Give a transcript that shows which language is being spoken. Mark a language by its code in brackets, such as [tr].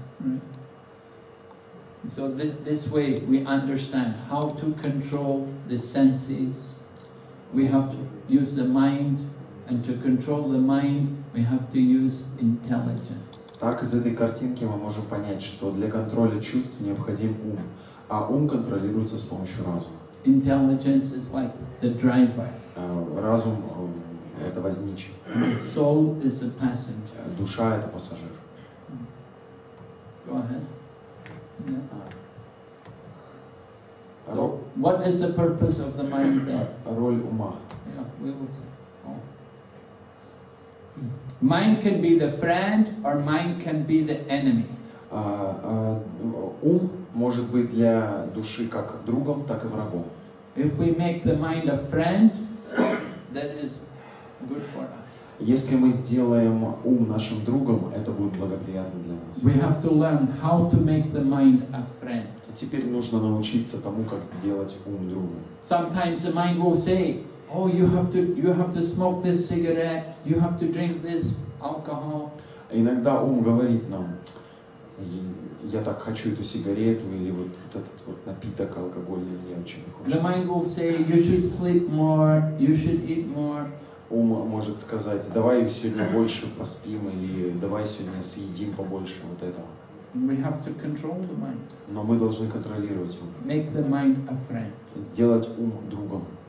[en] Right. So this way we understand how to control the senses. We have to use the mind, and to control the mind, we have to use intelligence. [ru] Так из этой картинки мы можем понять, что для контроля чувств необходим ум, а ум контролируется с помощью разума. [en] Intelligence is like the driver. [ru] Разум это возничий. [en] Soul is a passenger. [ru] Душа это пассажир. [en] Go ahead. Yeah. So, what is the purpose of the mind then? [ru] Роль ума. [en] Yeah, we will see. Oh. Mind can be the friend or mind can be the enemy. [ru] Ум может быть для души как другом, так и врагом. [en] If we make the mind a friend, that is good for us. [ru] Если мы сделаем ум нашим другом, это будет благоприятно для нас. [en] We have to learn how to make the mind a friend. [ru] Теперь нужно научиться тому, как сделать ум другом. [en] Sometimes the mind will say, "Oh, you have to smoke this cigarette, you have to drink this alcohol." [ru] Иногда ум говорит нам: я так хочу эту сигарету или вот этот вот напиток алкогольный, мне очень хочется. [en] The mind will say, you should sleep more, you should eat more. [ru] Ум может сказать, давай сегодня больше поспим или давай сегодня съедим побольше вот этого. [en] We have to control the mind. [ru] Но мы должны контролировать ум. [en] Make the mind a friend. [ru] Сделать ум другом.